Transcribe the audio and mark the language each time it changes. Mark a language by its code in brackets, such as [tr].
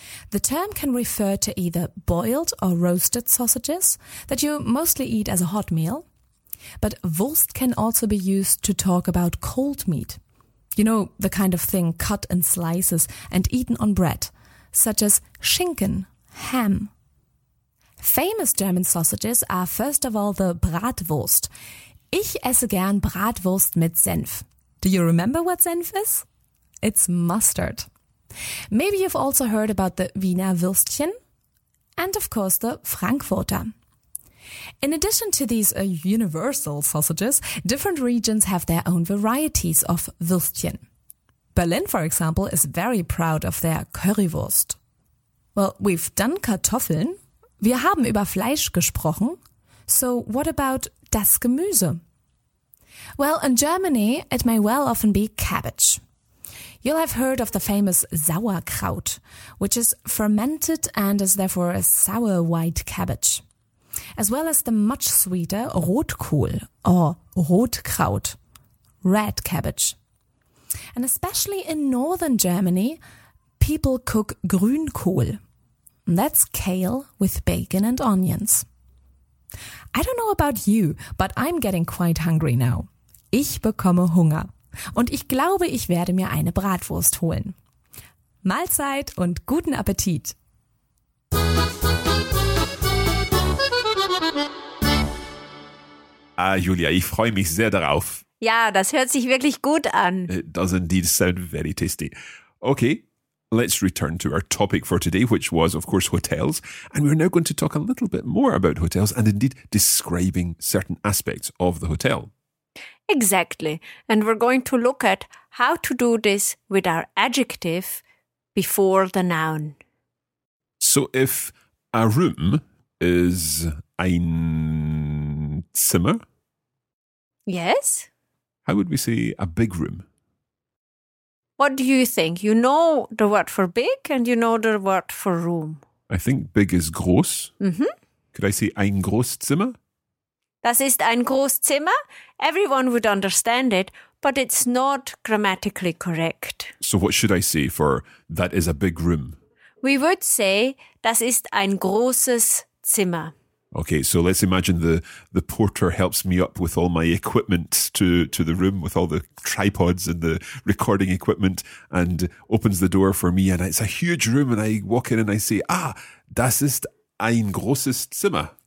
[en] The term can refer to either boiled or roasted sausages that you mostly eat as a hot meal, but Wurst can also be used to talk about cold meat. You know, the kind of thing cut in slices and eaten on bread, such as Schinken, ham. Famous German sausages are first of all the Bratwurst. [de] Ich esse gern Bratwurst mit Senf. [en] Do you remember what Senf is? It's mustard. Maybe you've also heard about the Wiener Würstchen and of course the Frankfurter. In addition to these universal sausages, different regions have their own varieties of Würstchen. Berlin, for example, is very proud of their Currywurst. Well, we've done Kartoffeln. [de] Wir haben über Fleisch gesprochen. [en] So what about das Gemüse? Well, in Germany, it may well often be cabbage. You'll have heard of the famous Sauerkraut, which is fermented and is therefore a sour white cabbage, as well as the much sweeter Rotkohl or Rotkraut, red cabbage. And especially in northern Germany, people cook Grünkohl. That's kale with bacon and onions. I don't know about you, but I'm getting quite hungry now. [de] Ich bekomme Hunger. Und ich glaube, ich werde mir eine Bratwurst holen. Mahlzeit und guten Appetit! Ah, Julia, ich freue mich sehr darauf. Ja, das hört sich wirklich gut an. [en] It does indeed sound very tasty. Okay, let's return to our topic for today, which was, of course, hotels. And we're now going to talk a little bit more about hotels and indeed describing certain aspects of the hotel. Exactly. And we're going to look at how to do this with our adjective before the noun. So if a room is ein Zimmer? Yes. How would we say a big room? What do you think? You know the word for big and you know the word for room. I think big is groß. Mm-hmm. Could I say ein Großzimmer? [de] Das ist ein Großzimmer. [en] Everyone would understand it, but it's not grammatically correct. So what should I say for that is a big room? We would say [de] das ist ein großes Zimmer. [en] Okay, so let's imagine the porter helps me up with all my equipment to the room with all the tripods and the recording equipment and opens the door for me and it's a huge room and I walk in and I say, [de] ah, das ist ein großes Zimmer.